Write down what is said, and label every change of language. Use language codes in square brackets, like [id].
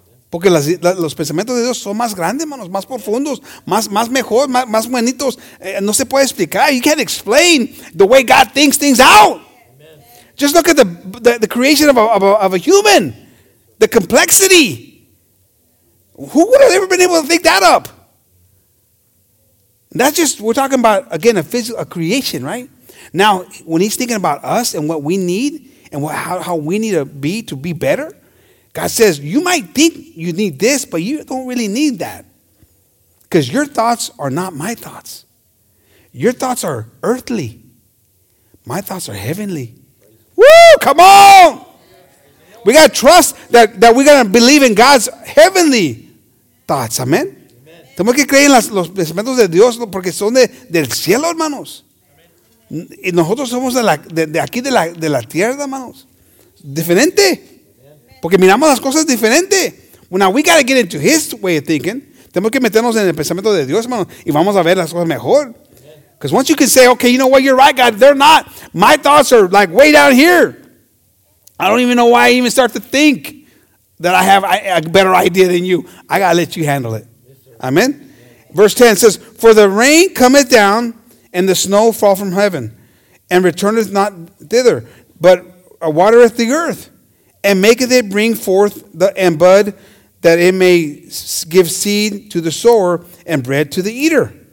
[es] Porque los pensamientos de Dios son más grandes, hermanos, más profundos, más mejor, más buenitos. No se puede explicar. [en] You can't explain the way God thinks things out. Amen. Just look at the creation of a human. The complexity. Who would have ever been able to think that up? That's just, we're talking about, again, a creation, right? Now, when he's thinking about us and what we need and how we need to be better, God says, you might think you need this, but you don't really need that. Because your thoughts are not my thoughts. Your thoughts are earthly. My thoughts are heavenly. Woo, come on! We got to trust that we're going to believe in God's heavenly thoughts. Amen? [es] Tenemos que creer en los pensamientos de Dios porque son del cielo, hermanos. Y nosotros somos de aquí, de la tierra, hermanos. Diferente. Porque miramos las cosas diferente. [en] Well, now we got to get into his way of thinking. [es] Tenemos que meternos en el pensamiento de Dios, hermano. Y vamos a ver las cosas mejor. [en] Because once you can say, okay, you know what? You're right, God. They're not. My thoughts are like way down here. I don't even know why I even start to think that I have a better idea than you. I got to let you handle it. Yes, amen? Amen. Verse 10 says, for the rain cometh down, and the snow fall from heaven, and returneth not thither, but watereth the earth, and maketh it bring forth the and bud, that it may give seed to the sower and bread to the eater.